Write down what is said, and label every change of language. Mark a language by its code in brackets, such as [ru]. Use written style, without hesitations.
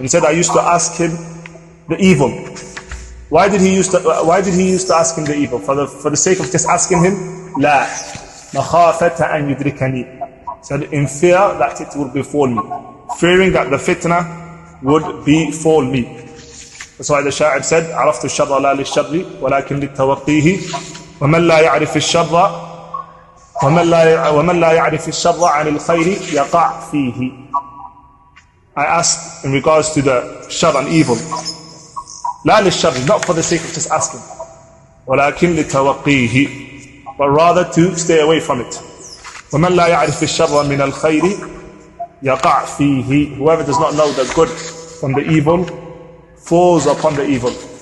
[en] He said, I used to ask him the evil. Why did he used to ask him the evil? For the sake of just asking him, [ar] لا مَخَافَتَ أَنْ يُدْرِكَنِي. [en] He said, in fear that it would befall me, fearing that the fitna would befall me. That's why the Sha'ir said, [ar] عَرَفْتُ الشَّرَّ لَا لِلشَّرِّ وَلَكِنْ لِلتَّوَقِّيهِ. ومن لا يعرف الشر ومن لا يعرف الشر عن الخير يقع فيه. [en] I asked in regards to the shar and evil, [ar] لا للشر, [en] not for the sake of just asking, [ar] ولكن لتوقيه, [en] but rather to stay away from it. [ar] ومن لا يعرف الشر من الخير يقع فيه, [en] whoever does not know the good from the evil falls upon the evil.